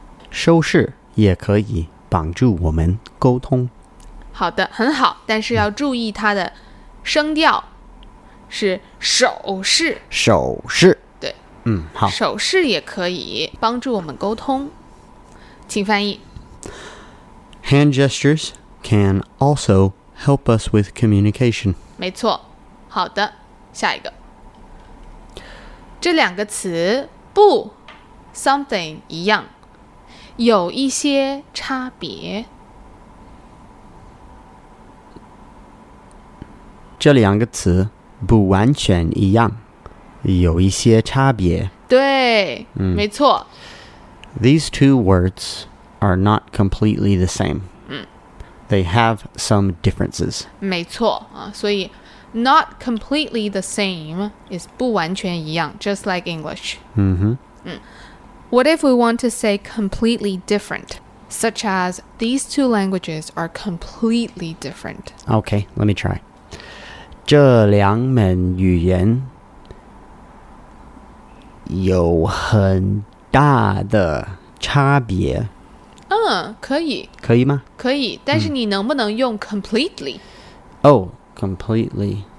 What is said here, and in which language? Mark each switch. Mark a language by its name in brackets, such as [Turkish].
[Chinese] 收视也可以帮助我们沟通。好的，很好，但是要注意它的声调是手势。手势。对。嗯，好。手势也可以帮助我们沟通。请翻译。 [English] Hand gestures can also help us with communication. [Chinese] 没错。好的，下一个。这两个词不 [English] something [Chinese] 一样，有一些差别。这两个词不完全一样，有一些差别。对，没错。 [English] These two words are not completely the same. They have some differences. [Chinese] 没错，所以 [English] Not completely the same is [Chinese] 不完全一样 [English] just like English. What if we want to say completely different, such as these two languages are completely different? Okay, let me try. [Chinese] 这两门语言有很大的差别。可以。可以吗？可以，但是你能不能用 [English] completely? Oh, completely.